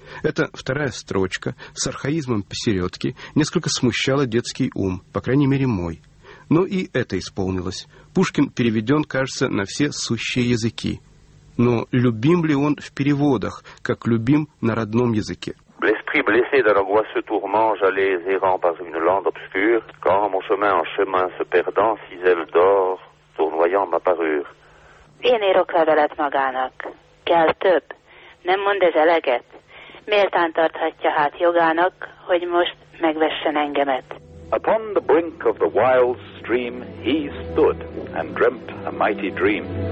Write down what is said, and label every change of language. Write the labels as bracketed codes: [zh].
[ru] Эта вторая строчка с архаизмом посередки несколько смущала детский ум, по крайней мере, мой. Но и это исполнилось. Пушкин переведен, кажется, на все сущие языки. Но любим ли он в переводах, как любим на родном языке? [fr] L'esprit blessé de l'angoisse se tourment, j'allais errant par une lande obscure, quand mon chemin en chemin se perdant, six ailes d'or tournoyant ma parure. [hu] Én írok levelet magának. Kell több. Nem mond ez eleget? Méltán tarthatja hát jogának, hogy most megvessen engemet. [en] Upon the brink of the wild stream, he stood and dreamt a mighty dream.